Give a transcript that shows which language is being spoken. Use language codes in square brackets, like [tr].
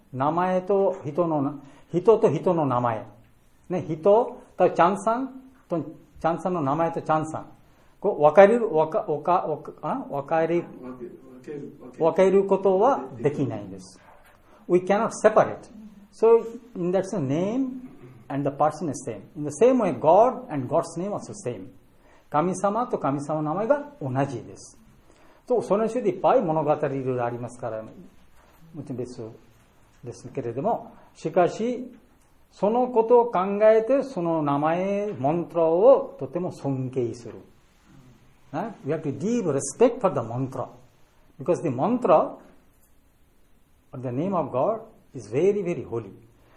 [ja] 名前と人と人の名前、ね、人とチャンさんとチャンさんの名前とチャンさん、こう分かることはできないんです。 [en] We cannot separate. So in that sense, name and the person is same. In the same way, God and God's name are the same. [ja] 神様と神様の名前が同じです。と、その種でいっぱい物語がありますから、もちろん別ですけれども、しかしそのことを考えてその名前モントラをとても尊敬する、ね、 [en] We have to deep respect for the mantra because the mantra or the name of God is very very holy。